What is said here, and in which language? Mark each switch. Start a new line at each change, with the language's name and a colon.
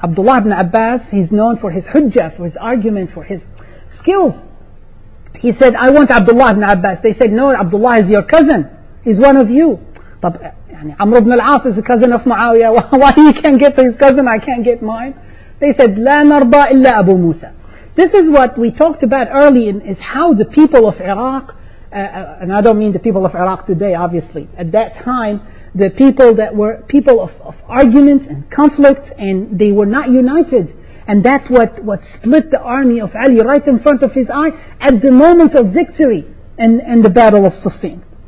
English: Abdullah ibn Abbas, he's known for his hujjah, for his argument, for his skills. He said, I want Abdullah ibn Abbas. They said, no, Abdullah is your cousin. He's one of you. Amr ibn al-As is a cousin of Muawiyah. Why you can't get his cousin, I can't get mine? They said,
Arabic: لا نرضى إلا أبو موسى.
English: This is what we talked about early, in, is how the people of Iraq, and I don't mean the people of Iraq today, obviously. At that time, the people that were people of arguments and conflicts, and they were not united. And that's what split the army of Ali right in front of his eye at the moment of victory in the Battle of Siffin.